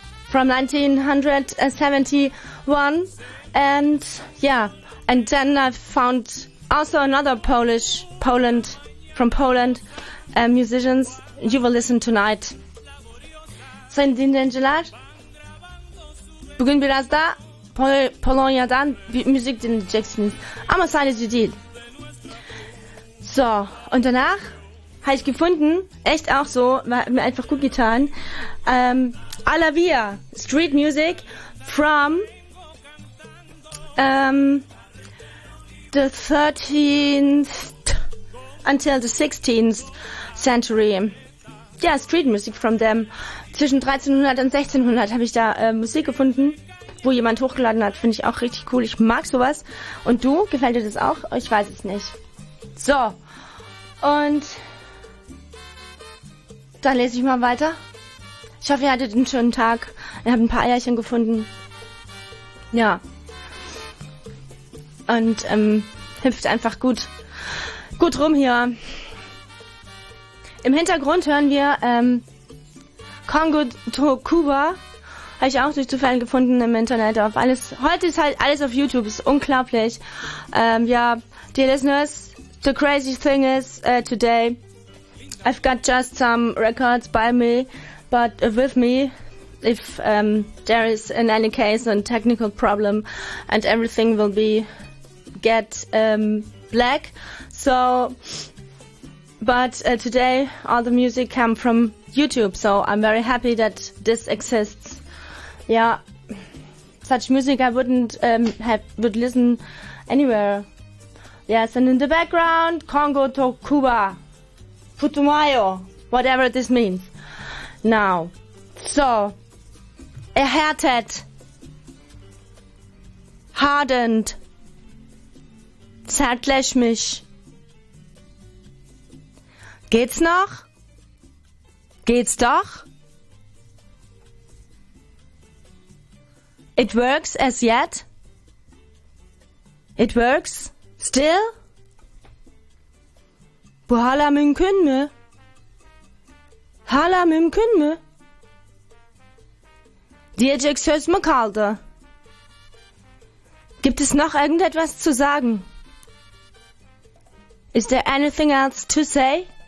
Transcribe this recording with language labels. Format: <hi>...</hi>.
<en>From 1971, and yeah, and then I found also another Poland musicians you will listen tonight. Saint Dindengelar.</en> <tr>Bugün biraz da Polonya'dan bir müzik dinleyeceksiniz. Ama sadece değil.</tr> <de>So, und danach habe ich gefunden, echt auch so, hat mir einfach gut getan, A La Via,</de> <en>Street Music from the 13th until the 16th century. Ja, yeah, Street Music from them.</en> <de>Zwischen 1300 und 1600 habe ich da Musik gefunden, wo jemand hochgeladen hat. Finde ich auch richtig cool. Ich mag sowas. Und du? Gefällt dir das auch? Ich weiß es nicht. So. Und dann lese ich mal weiter. Ich hoffe, ihr hattet einen schönen Tag. Ihr habt ein paar Eierchen gefunden. Ja. Und hüpft einfach gut rum hier. Im Hintergrund hören wir Congo to Cuba. Habe ich auch durch Zufall gefunden im Internet auf alles. Heute ist halt alles auf YouTube, ist unglaublich.</de> <en>Ja, dear listeners, the crazy thing is today I've got just some records by me, but with me, if there is in any case a technical problem and everything will be get black. So, but today all the music came from YouTube, so I'm very happy that this exists. Yeah, such music I wouldn't would listen anywhere. Yes, and in the background, Congo to Cuba, Putumayo, whatever this means.</en> <de>Now, so, erhärtet, hardened, zärtlich mich. Geht's noch? Geht's doch?</de> <en>It works as yet. It works still.</en> <tr>Bu hala mümkün mü? Hala mümkün mü? Diyecek söz mü kaldı?</tr> <de>Gibt es noch irgendetwas zu sagen?</de> <en>Is there anything else to say?</en>